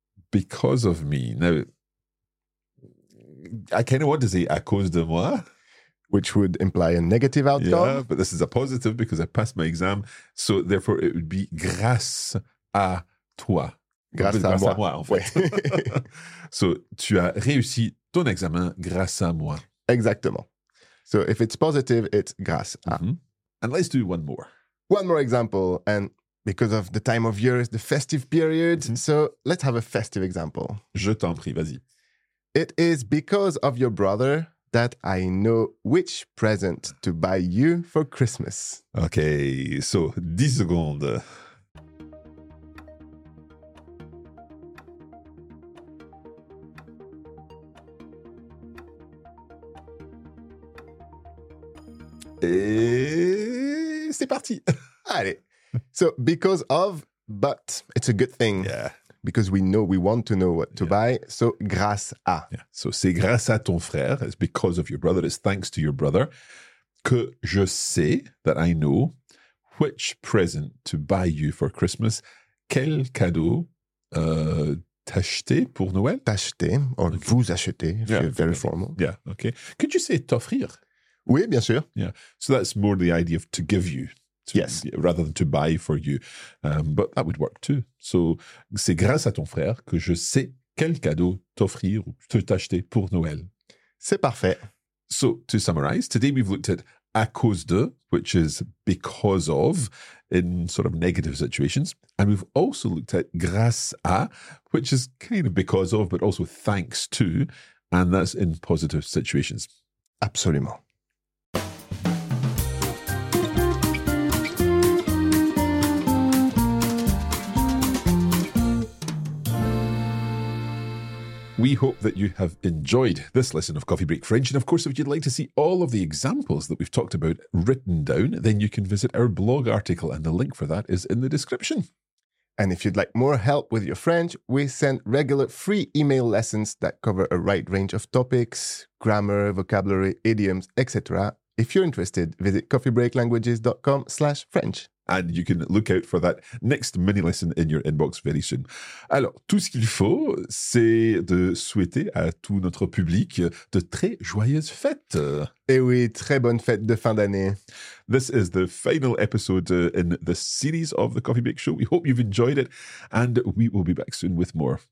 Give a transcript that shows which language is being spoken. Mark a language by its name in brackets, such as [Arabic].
[English] Because of me. Now, I kind of want to say [French] à cause de moi. [English] Which would imply a negative outcome. Yeah, but this is a positive because I passed my exam. So therefore, it would be [French] grâce à toi. Grâce à moi, en fait. So, tu as réussi ton examen grâce à moi. Exactement. [English] So, if it's positive, it's grâce à. Mm-hmm. And let's do one more. One more example. And because of the time of year, it's the festive period. Mm-hmm. So, let's have a festive example. [French] Je t'en prie, vas-y. [English] It is because of your brother that I know which present to buy you for Christmas. Okay, so 10 secondes. [French] Et c'est parti. Allez. [English] So, because of, but it's a good thing. Yeah. Because we know, we want to know what to buy. So, grâce à. Yeah. [French] So, c'est grâce à ton frère. [English] It's because of your brother. It's thanks to your brother. [French] Que je sais, [English] that I know, which present to buy you for Christmas. [French] Quel cadeau t'acheter pour Noël? [English] T'acheter, or okay. [French] Vous acheter, [English] if you're very formal. Yeah, okay. Could you say t'offrir? [French] Oui, bien sûr. [English] Yeah. So, that's more the idea of to give you. Rather than to buy for you. But that would work too. [French] So, c'est grâce à ton frère que je sais quel cadeau t'offrir ou te t'acheter pour Noël. C'est parfait. [English] So, to summarize, today we've looked at à cause de, which is because of, in sort of negative situations. And we've also looked at grâce à, which is kind of because of, but also thanks to, and that's in positive situations. [French] Absolument. [English] We hope that you have enjoyed this lesson of Coffee Break French. And of course, if you'd like to see all of the examples that we've talked about written down, then you can visit our blog article. And the link for that is in the description. And if you'd like more help with your French, we send regular free email lessons that cover a wide range of topics, grammar, vocabulary, idioms, etc. If you're interested, visit coffeebreaklanguages.com/French. And you can look out for that next mini lesson in your inbox very soon. [French] Alors, tout ce qu'il faut, c'est de souhaiter à tout notre public de très joyeuses fêtes. Eh oui, très bonnes fêtes de fin d'année. [English] This is the final episode in the series of the Coffee Break Show. We hope you've enjoyed it and we will be back soon with more.